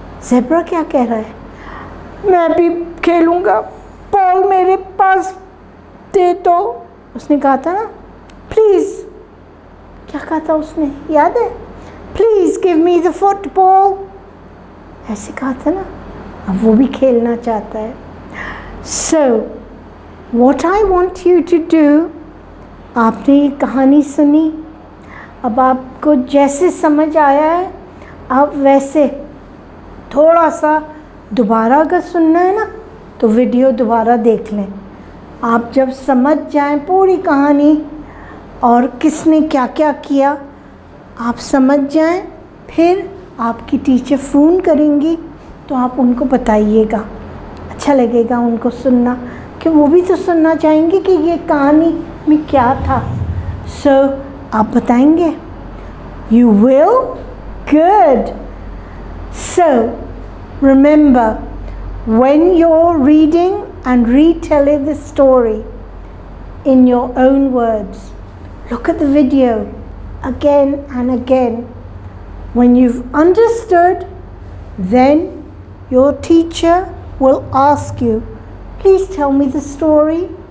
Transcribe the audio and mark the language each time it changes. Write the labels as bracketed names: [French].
[Hindi] Zebra क्या कह रहा है? मैं भी खेलूँगा. Ball मेरे पास दे दो. उसने कहा था ना? Please. क्या कहा था उसने? याद है? [English] Please give me the football. [Hindi] ऐसे कहा था ना? अब वो भी खेलना चाहता है. [English] So, what I want you to do? [Hindi] आपने ये कहानी सुनी. अब आपको जैसे समझ आया है, आप वैसे थोड़ा सा दोबारा अगर सुनना है ना तो वीडियो दोबारा देख लें. आप जब समझ जाएं पूरी कहानी और किसने क्या क्या किया, आप समझ जाएं, फिर आपकी टीचर फ़ोन करेंगी तो आप उनको बताइएगा. अच्छा लगेगा उनको सुनना, कि वो भी तो सुनना चाहेंगे कि ये कहानी में क्या था. सो आप बताएंगे. [English] You will? Good. So, Remember, when you're reading and retelling the story in your own words, look at the video again and again. When you've understood, then your teacher will ask you, please tell me the story.